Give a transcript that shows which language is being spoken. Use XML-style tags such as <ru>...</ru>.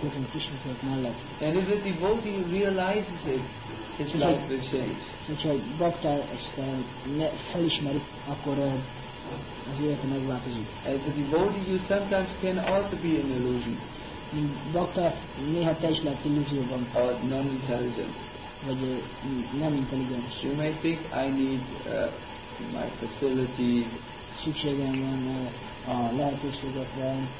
<en>And if a devotee realizes it, his life will change. Such a</en> <hu>bhakta ezt felismeri, akkor az élete megváltozik.</hu> <en>As a devotee, you sometimes can also be an illusion.</en> <hu>Bhakta néha te is lehetsz illúzióban.</hu> <en>Or non-intelligent.</en> <hu>Vagy nem intelligens.</hu> <en>You may think I need my facility.</en> <hu>Szükségem van a lehetőségekre.</hu>